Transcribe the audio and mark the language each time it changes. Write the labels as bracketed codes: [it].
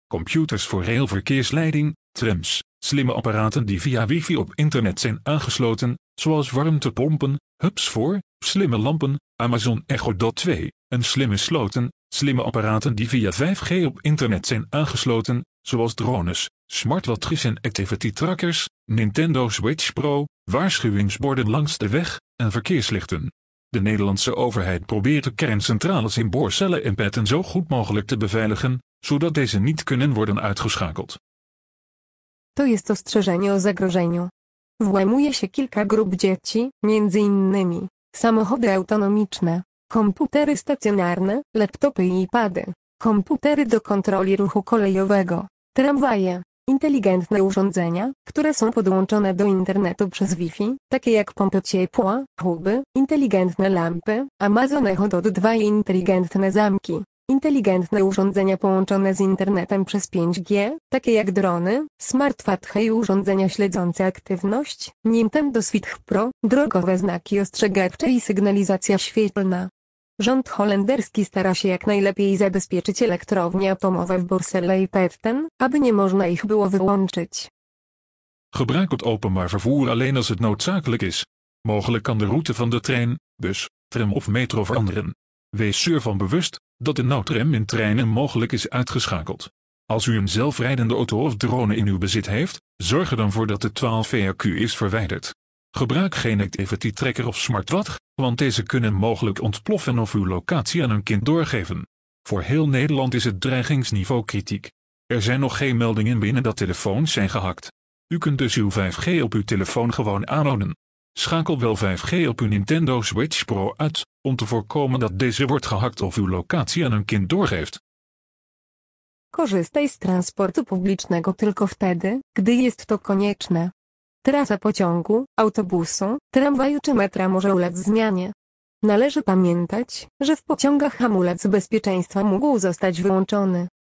[nl] computers voor railverkeersleiding, trams, slimme apparaten die via wifi op internet zijn aangesloten, zoals warmtepompen, hubs voor, slimme lampen, Amazon Echo Dot 2, en slimme sloten, slimme apparaten die via 5G op internet zijn aangesloten, zoals drones, smartwatches en activity trackers, Nintendo Switch Pro, waarschuwingsborden langs de weg, en verkeerslichten. De Nederlandse overheid probeert de kerncentrales in Borselen en Petten zo goed mogelijk te beveiligen, zodat deze niet kunnen worden uitgeschakeld. [pl] To jest ostrzeżenie o zagrożeniu. Włamuje się kilka grup dzieci, między innymi samochody autonomiczne, komputery stacjonarne, laptopy i iPady, komputery do kontroli ruchu kolejowego, tramwaje. Inteligentne urządzenia, które są podłączone do internetu przez Wi-Fi, takie jak pompy ciepła, huby, inteligentne lampy, Amazon Echo Dot 2 i inteligentne zamki. Inteligentne urządzenia połączone z internetem przez 5G, takie jak drony, smartwatche i urządzenia śledzące aktywność, Nintendo Switch Pro, drogowe znaki ostrzegawcze i sygnalizacja świetlna. Rząd holenderski stara się jak najlepiej zabezpieczyć elektrownie atomowe w Borselen i Petten, aby nie można ich było wyłączyć. [nl] Gebruik het openbaar vervoer alleen als het noodzakelijk is. Mogelijk kan de route van de trein, bus, tram of metro veranderen. Wees ervan bewust dat de noodrem in treinen mogelijk is uitgeschakeld. Als u een zelfrijdende auto of drone in uw bezit heeft, zorg er dan voor dat de 12 VHQ is verwijderd. Gebruik geen activity tracker of smartwatch, want deze kunnen mogelijk ontploffen of uw locatie aan een kind doorgeven. Voor heel Nederland is het dreigingsniveau kritiek. Er zijn nog geen meldingen binnen dat telefoons zijn gehackt. U kunt dus uw 5G op uw telefoon gewoon aanhouden. Schakel wel 5G op uw Nintendo Switch Pro uit, om te voorkomen dat deze wordt gehackt of uw locatie aan een kind doorgeeft. [pl] Korzystaj z transportu publicznego tylko wtedy, gdy jest to konieczne. Trasa pociągu, autobusu, tramwaju czy metra może ulec zmianie. Należy pamiętać, że w pociągach hamulec bezpieczeństwa mógł zostać wyłączony.